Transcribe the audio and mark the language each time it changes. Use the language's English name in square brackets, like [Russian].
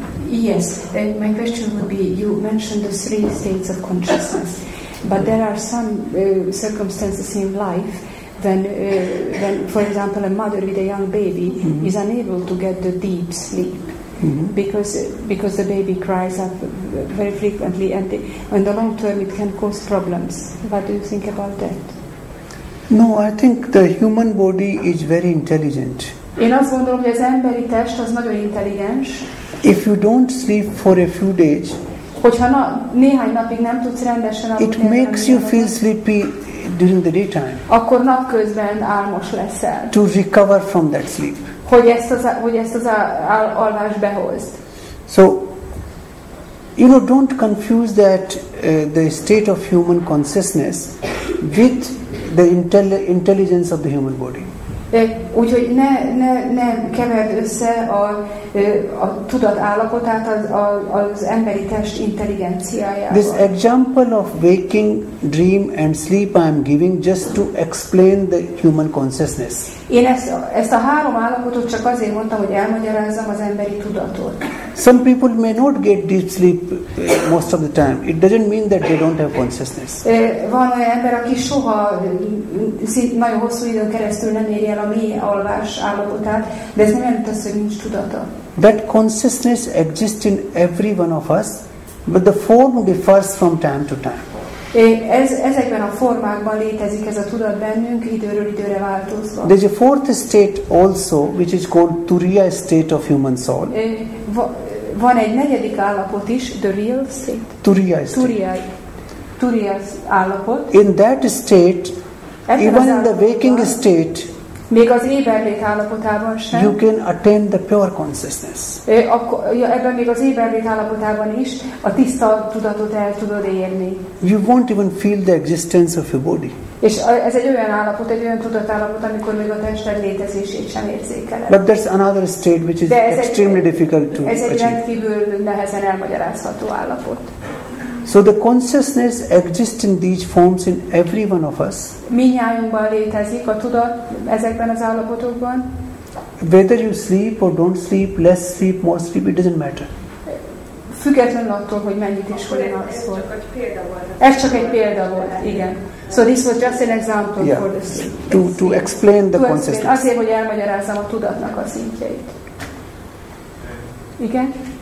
[English] Yes, and my question would be, you mentioned the three states of consciousness, but there are some circumstances in life when, for example, a mother with a young baby mm-hmm. is unable to get the deep sleep. Mm-hmm. Because the baby cries up very frequently, and in the long term it can cause problems. What do you think about that? No, I think the human body is very intelligent. [Hungarian] Én azt gondolom, hogy az emberi test az nagyon intelligens. [English] If you don't sleep for a few days, [Hungarian] hogyha néhány napig nem tudsz rendesen aludni, [English] it makes you feel sleepy during the daytime. [Hungarian] Akkor napközben álmos leszel. [English] To recover from that sleep. [Hungarian] Hogy ezt az alvás behozd. [English] So, you know, don't confuse that the state of human consciousness with the intelligence of the human body. [Hungarian] Úgyhogy ne keverd össze a tudat állapotát az emberi test intelligenciájával. [English] This example of waking, dream and sleep I am giving just to explain the human consciousness. [Hungarian] Én ezt a három állapotot csak azért mondtam, hogy elmagyarázzam az emberi tudatot. [English] Some people may not get deep sleep most of the time. It doesn't mean that they don't have consciousness. [Hungarian] Van olyan ember, aki soha nagyon hosszú időn keresztül nem éri el a mély alvás állapotát, de ez nem jelenti azt, hogy nincs tudata. [English] that consciousness exists in every one of us, but the form differs from time to time. [Hungarian] Ezekben a formákban létezik ez a tudat bennünk, időről időre változva. [English] There's a fourth state also, which is called Turiya state of human soul. [Hungarian] Van egy negyedik állapot is, [English] the real state. Turiya state. [Hungarian] Turiya állapot. [English] In that state, even in the waking state, [Hungarian] még az éberlét állapotában sem, [English] you can attain the pure consciousness. [Hungarian] Ebben még az éberlét állapotában is a tiszta tudatot el tudod érni. [English] You won't even feel the existence of your body. [Hungarian] És ez egy olyan állapot, egy olyan tudatállapot, amikor még a tested létezését sem érzékeled. [English] But there's another state which is extremely difficult to achieve. [Hungarian] Ez egy rendkívül nehezen elmagyarázható állapot. [English] So the consciousness exists in these forms in every one of us. [Hungarian] Mindnyájunkban létezik a tudat ezekben az állapotokban. [English] Whether you sleep or don't sleep, less sleep, more sleep, it doesn't matter. [Hungarian] Függetlenül attól, hogy mennyit is hol alszol. Ez csak egy példa volt, igen. [English] So this was just an example yeah. for this. To explain the consciousness. [Hungarian] Azért, hogy elmagyarázzam a tudatnak a szintjeit. Igen?